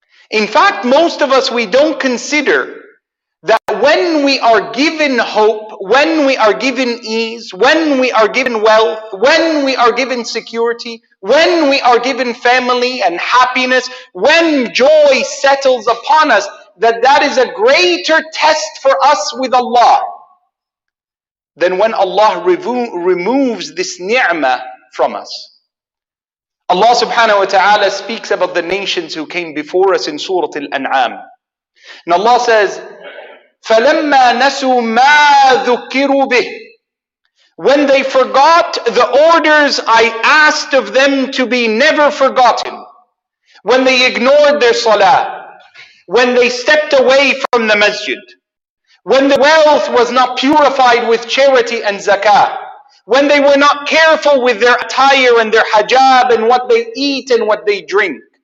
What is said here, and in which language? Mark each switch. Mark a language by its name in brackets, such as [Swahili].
[English] In fact, most of us, we don't consider that when we are given hope, when we are given ease, when we are given wealth, when we are given security, when we are given family and happiness, when joy settles upon us, that that is a greater test for us with Allah than when Allah removes this ni'mah from us. Allah subhanahu wa ta'ala speaks about the nations who came before us in Surah Al-An'am. And Allah says, [Arabic] فَلَمَّا نَسُوا مَا ذُكِّرُوا بِهِ. [English] When they forgot the orders I asked of them to be never forgotten, when they ignored their salah, when they stepped away from the masjid, when the wealth was not purified with charity and zakah, when they were not careful with their attire and their hijab and what they eat and what they drink.